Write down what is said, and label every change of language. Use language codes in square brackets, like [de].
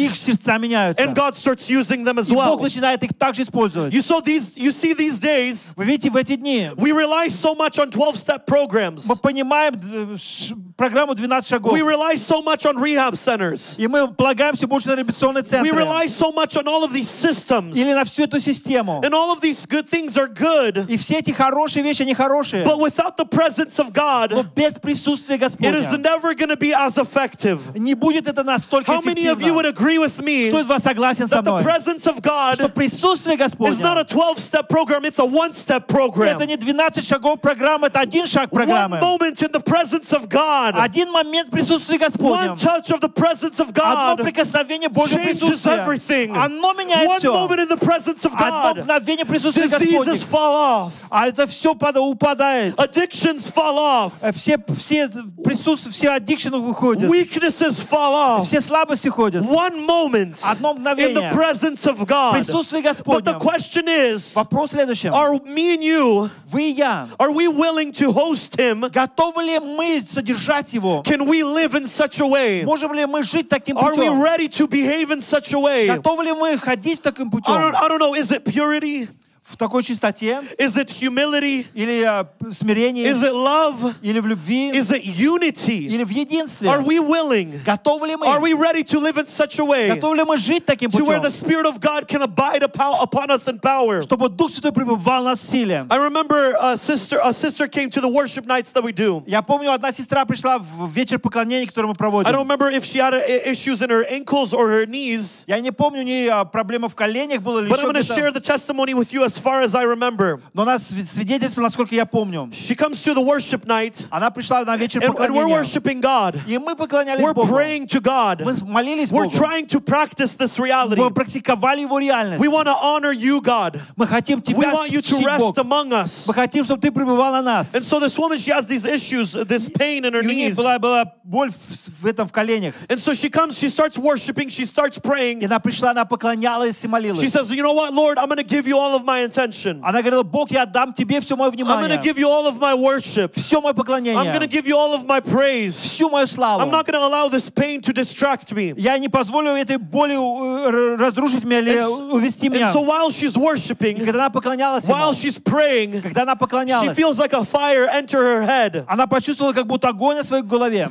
[ru] Их сердца меняются. [en] And God starts using them as well. [ru] И Бог начинает их также использовать. [en] You see these days, [ru] вы видите в эти дни, [en] we rely so much on 12-step programs. [ru] Мы понимаем программу 12 шагов. [en] We rely so much on rehab centers. [ru] И мы полагаемся больше на реабилитационные центры. [en] We rely so much on all of these systems. [ru] Или на всю эту систему. [en] And all of these good things are good. [ru] И все эти хорошие вещи, они хорошие. [en] But without the presence of God, [ru] но без присутствия Господня, [en] it is never going to be as effective. [ru] Не будет это настолько эффективно. [en] How many of you would agree with me? [ru] Кто из вас согласен со мной? [en] That the presence of God, [ru] что присутствие Господня, [en] is not a 12-step program, it's a 1-step program. [ru] Это не 12 шагов программы, это один шаг программы. [en] One moment in the presence of God. [ru] Один момент присутствия Господня. [en] One touch of the presence of God. [ru] Одно прикосновение Божьего присутствия. Оно меняет всё. [en] One moment in the presence of God. [ru] Одно мгновение присутствия Господня. [en] Diseases fall off. [ru] А это всё упадает. [en] Addictions fall off. [ru] Все присутствие, все [en] addictions [ru] уходят. [en] Weaknesses fall off. [ru] Все слабости уходят. [en] One moment. [ru] Одно мгновение. [en] In the presence of God. [ru] Присутствие Господня. [en] But the question is. [ru] Вопрос следующий. [en] Are me and you? [ru] Вы и я. [en] Are we willing to host him? [ru] Готовы ли мы содержать его? [en] Can we live in such a way? [ru] Можем ли мы жить таким путём? [en] Are we ready to behave in such a way? [ru] Готовы ли мы ходить таким путём? [en] I don't know, is it purity? [ru] В такой чистоте? [en] Is it humility? [ru] Или смирение? [en] Is it love? [ru] Или в любви? [en] Is it unity? [ru] Или в единстве? [en] Are we willing? [ru] Готовы ли мы? [en] Are we ready to live in such a way? [ru] Готовы ли мы жить таким путём? [en] To where the Spirit of God can abide upon us in power. [ru] Чтобы Дух Святой пребывал в нас в силе. [en] I remember a sister came to the worship nights that we do. [ru] Я помню, одна сестра пришла в вечер поклонения, который мы проводим. [en] I don't remember if she had issues in her ankles or her knees. [ru] Я не помню, у неё проблемы в коленях было или что-то. [en] But I'm going to share the testimony with you as far as I remember. [ru] Но она свидетельствует, насколько я помню. [en] She comes to the worship night. [ru] Она пришла на вечер поклонения. [en] And we're worshiping God. [ru] И мы поклонялись [en] we're [ru] Богу. [en] We're praying to God. [ru] Мы молились [en] we're [ru] Богу. [en] Trying to practice this reality. [ru] Мы практиковали его реальность. [en] We want to honor you, God. [ru] Мы хотим тебя [en] We want you to rest [ru] Бог. [en] Among us. [ru] Мы хотим, чтобы ты пребывал на нас. [en] And so this woman, she has these issues, this pain in her knees. [ru] У нее была боль в этом в коленях. [en] And so she comes, she starts worshiping, she starts praying. [ru] И она пришла, она поклонялась и молилась. [en] She says, "You know what, Lord? I'm going to give you all of my attention. [ru] Она говорила, Бог, я отдам тебе все мое внимание. [en] I'm going to give you all of my worship. [ru] Все мое поклонение. [en] I'm going to give you all of my praise. [ru] Всю мою славу. [en] I'm not going to allow this pain to distract me. [ru] Я не позволю этой боли разрушить меня или увести меня. [en] And so while she's worshiping, [ru] когда она поклонялась ему, [en] while she's praying, [ru] когда она поклонялась, [en] she feels like a fire enter her head. [ru] Она почувствовала, как будто огонь на своей голове.